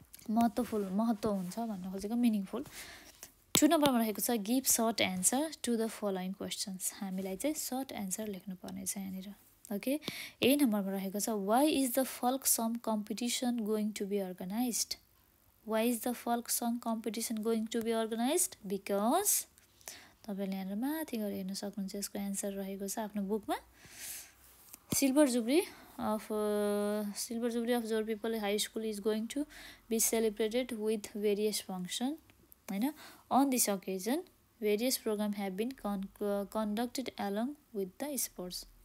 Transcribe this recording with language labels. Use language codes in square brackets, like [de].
[ne] महत्त्व हुन्छ भन्न खोजेको [en] Meaningful. Two नम्बरमा रहेको छ give short answer to the following questions. [ne] हामीलाई चाहिँ सर्ट एन्सर लेख्नुपर्नेछ यहाँनिर. [en] okay, [ne] ए नम्बरमा रहेको छ [en] Why is the folk song competition going to be organised. Why is the folk song competition going to be organized? Because [ne] तपाईँले यहाँनिर माथि गएर हेर्न सक्नुहुन्छ. यसको एन्सर रहेको छ आफ्नो बुकमा [en] Silver jubilee of Jor Pipal high school is going to be celebrated with various function होइन. On this occasion various programme have been conducted along with the sports.